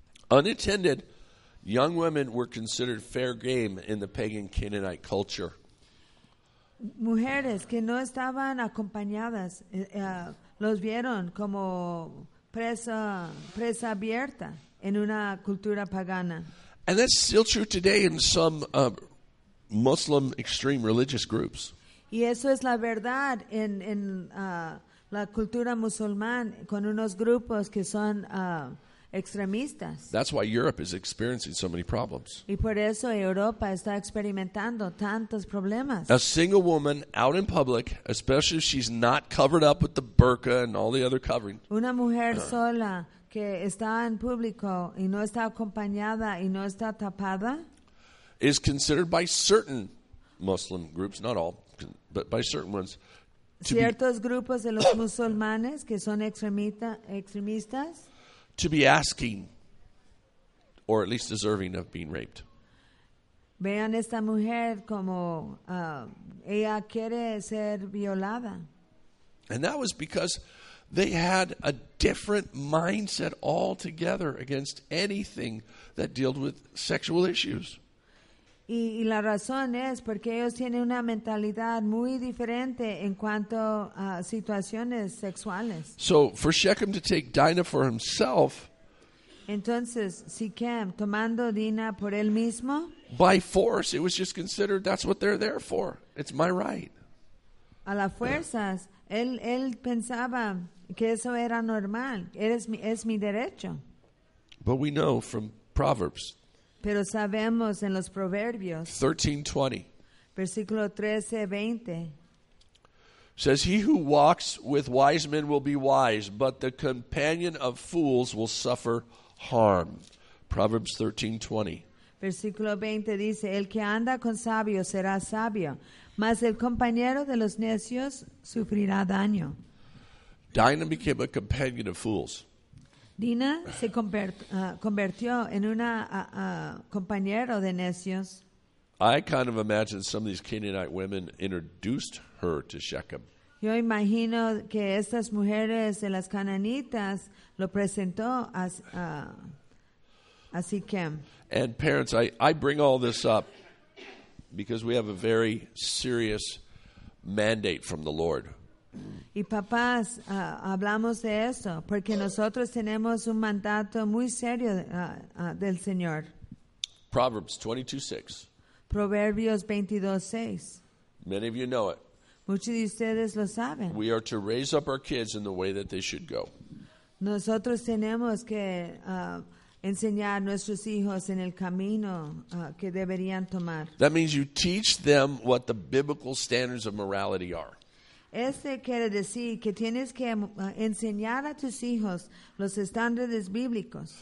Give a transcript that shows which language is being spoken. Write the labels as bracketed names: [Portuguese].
[English] Unattended young women were considered fair game in the pagan Canaanite culture. [Spanish] Mujeres que no estaban acompañadas los vieron como presa abierta en una cultura pagana. [English] And that's still true today in some Muslim extreme religious groups. [Spanish] Y eso es la verdad en la cultura musulmán con unos grupos que son extremistas. [English] That's why Europe is experiencing so many problems. [Spanish] Y por eso Europa está experimentando tantos problemas. [English] A single woman out in public, especially if she's not covered up with the burqa and all the other covering. [Spanish] Una mujer sola que está en público y no está acompañada y no está tapada, [English] is considered by certain Muslim groups, not all, but by certain ones, [Spanish] ciertos grupos de los musulmanes que son extremistas, [English] to be asking, or at least deserving of being raped. [Spanish] Vean esta mujer como ella quiere ser violada. [English] And that was because they had a different mindset altogether against anything that dealt with sexual issues. [Spanish] Y la razón es porque ellos tienen una mentalidad muy diferente en cuanto a situaciones sexuales. [English] So for Shechem to take Dinah for himself, [Spanish] entonces Siquem tomando Dinah por él mismo, [English] by force it was just considered that's what they're there for. It's my right. [Spanish] A las fuerzas, él pensaba que eso era normal. Es mi derecho. [English] But we know from Proverbs. [Spanish] Pero sabemos en los Proverbios. [English] 13:20. [Spanish] Versículo 13:20. [English] Says he who walks with wise men will be wise, but the companion of fools will suffer harm. Proverbs 13:20. [Spanish] Versículo 20 dice, el que anda con sabios será sabio, mas el compañero de los necios sufrirá daño. [English] Dinah became a companion of fools. [Spanish] Dina se convirtió en una compañero de necios. [English] I kind of imagine some of these Canaanite women introduced her to Shechem. [Spanish] Yo imagino que estas mujeres de las cananitas lo presentó a Siquem. [English] And parents, I bring all this up because we have a very serious mandate from the Lord. [Spanish] Y papás, hablamos de esto porque nosotros tenemos un mandato muy serio del Señor. [English] Proverbs 22:6. [Spanish] Proverbios 22:6. [English] Many of you know it. [Spanish] Muchos de ustedes lo saben. [English] We are to raise up our kids in the way that they should go. [Spanish] Nosotros tenemos que enseñar nuestros hijos en el camino que deberían tomar. [English] That means you teach them what the biblical standards of morality are. [Spanish] Este quiere decir que tienes que enseñar a tus hijos los estándares bíblicos.